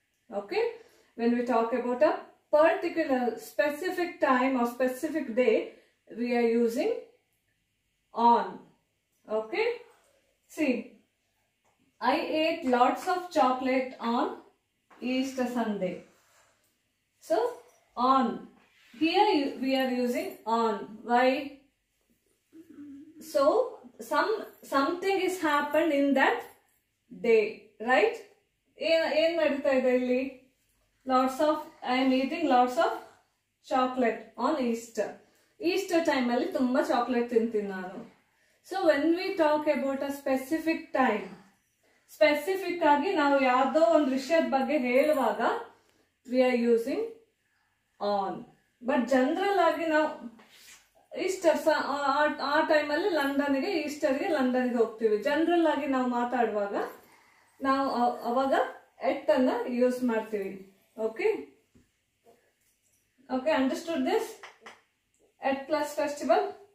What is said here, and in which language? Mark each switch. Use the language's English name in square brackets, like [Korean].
[English] Okay, when we talk about a particular specific time or specific day, we are using on. Okay, see, I ate lots of chocolate on Easter Sunday. So on here we are using on. Why? So something is happened in that day, right? [Kannada] Yen nadutha ide illi? [English] Lots of, I am eating lots of chocolate on Easter. [Kannada] Easter time alli thumba chocolate tintinnanu. [English] So when we talk about a specific time, [Kannada] specific aagi naavu yado ond vishayad bagge helvaga [English] we are using on. [Kannada] But general ಆಗಿ ನಾವು Easter ಆ ಟೈಮಲ್ಲಿ ಲಂಡನ್ಗೆ ಈಸ್ಟರ್ಗೆ ಲಂಡನ್ಗೆ ಹೋಗ್ತೀವಿ. General ಆಗಿ ನಾವು ಮಾತಾಡುವಾಗ ನಾವು ಅವಾಗ ಎಟ್ ಅನ್ನ ಯೂಸ್ ಮಾಡ್ತೀವಿ. [English] Okay okay understood this at plus festival.